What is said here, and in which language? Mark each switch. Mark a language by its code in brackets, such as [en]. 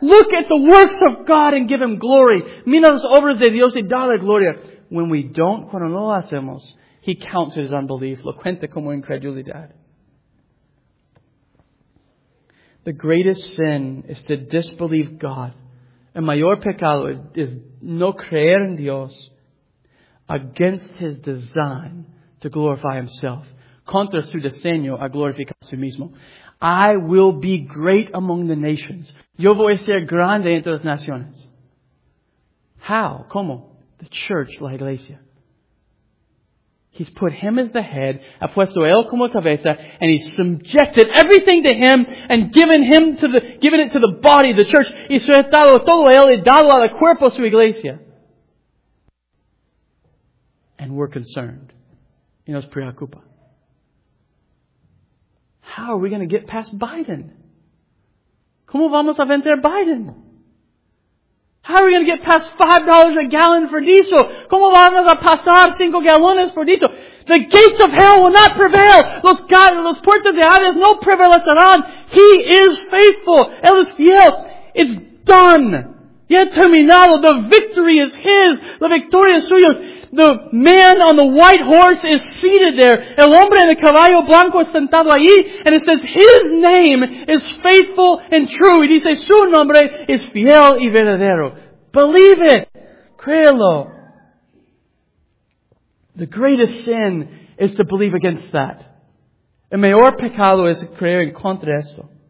[en] Look at the works of God and give Him glory. [es] Mira las obras de Dios y dale gloria. [en] When we don't, [es] cuando no lo hacemos, [en] He counts it as unbelief. [es] Lo cuenta como incredulidad. [en] The greatest sin is to disbelieve God. [es] El mayor pecado [en] is [es] no creer en Dios [en] against His design to glorify Himself. [es] Contra su diseño a glorificar su mismo. [en] I will be great among the nations. [es] Yo voy a ser grande entre las naciones. [en] How? [es] ¿Cómo? [en] The church, [es] la iglesia. [en] He's put Him as the head, [es] ha puesto Él como cabeza, [en] and He's subjected everything to Him and given it to the body, the church. [es] Y sujetado todo Él y dado al cuerpo su iglesia. [en] And we're concerned. [es] Y nos preocupa. [en] How are we going to get past Biden? [es] ¿Cómo vamos a vencer Biden? [en] How are we going to get past $5 a gallon for diesel? [es] ¿Cómo vamos a pasar 5 gallones for diesel? [en] The gates of hell will not prevail. [es] Los puertos de Hades no prevalecerán. [en] He is faithful. [es] Él es fiel. [en] It's done. [es] Ya terminado. [en] The victory is His. [es] La victoria es suya. [en] The man on the white horse is seated there. [es] El hombre en el caballo blanco es sentado ahí. [en] And it says, His name is faithful and true. [es] Y dice, su nombre es fiel y verdadero. [en] Believe it. [es] Créelo. [en] The greatest sin is to believe against that. [es] El mayor pecado es creer en contra esto.